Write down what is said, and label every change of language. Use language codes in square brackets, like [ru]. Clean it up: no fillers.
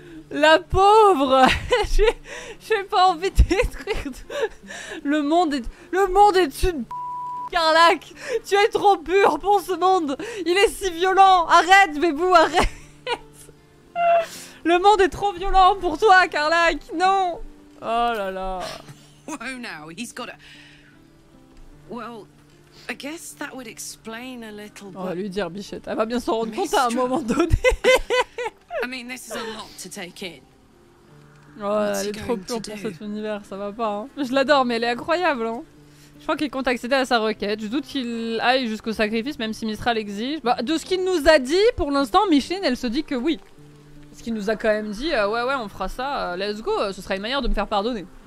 [fr] La pauvre. J'ai pas envie de détruire. Le monde est une Carlac. Tu es trop pur pour ce monde. Il est si violent. Arrête, bébou, arrête. Le monde est trop violent pour toi, Carlac. Non. Oh là là. [en] Wow, now he's got a. Well, I guess that would explain a little. [fr] On va lui dire, Bichette. Elle va bien s'en rendre compte à un moment donné. [en] I mean, this is a lot to take in. [fr] Oh, elle est trop pure pour cet univers. Ça va pas. Hein. Je l'adore, mais elle est incroyable. Hein. Je crois qu'il compte accéder à sa requête. Je doute qu'il aille jusqu'au sacrifice, même si Mistral exige. Bah, de ce qu'il nous a dit pour l'instant, Micheline, elle se dit que oui. Qui nous a quand même dit ouais ouais on fera ça, [en] let's go, [fr] ce sera une manière de me faire pardonner.